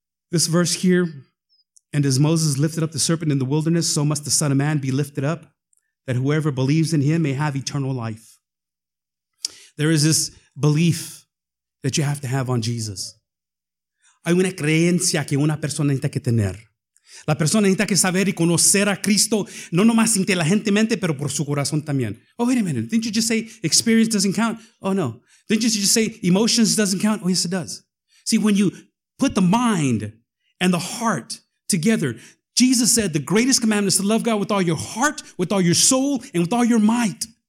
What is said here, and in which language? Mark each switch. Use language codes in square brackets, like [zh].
[en] This verse here, and as Moses lifted up the serpent in the wilderness, so must the Son of Man be lifted up, that whoever believes in him may have eternal life. There is this belief that you have to have on Jesus. [es] Hay una creencia que una persona necesita que tener. La persona necesita que saber y conocer a Cristo, no nomás inteligentemente, pero por su corazón también. [en] Oh, wait a minute. Didn't you just say experience doesn't count? Oh, no. Didn't you just say emotions doesn't count? Oh, yes, it does. See, when you put the mind and the heart together, Jesus said the greatest commandment is to love God with all your heart, with all your soul, and with all your might.